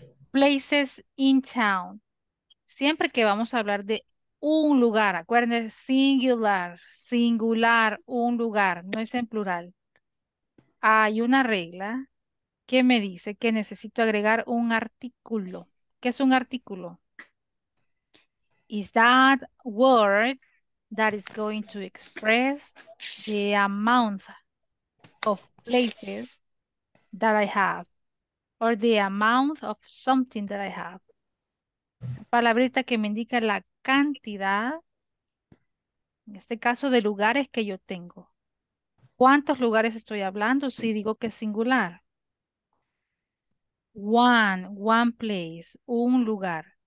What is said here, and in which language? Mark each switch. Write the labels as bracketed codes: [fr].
[en] Places in town. [es] Siempre que vamos a hablar de un lugar, acuérdense, singular, singular, un lugar, no es en plural. Hay una regla que me dice que necesito agregar un artículo. ¿Qué es un artículo? [en] Is that word that is going to express the amount of places that I have or the amount of something that I have? [es] Esa palabrita que me indica la cantidad, en este caso, de lugares que yo tengo. ¿Cuántos lugares estoy hablando si digo que es singular? [en] One place, [es] un lugar.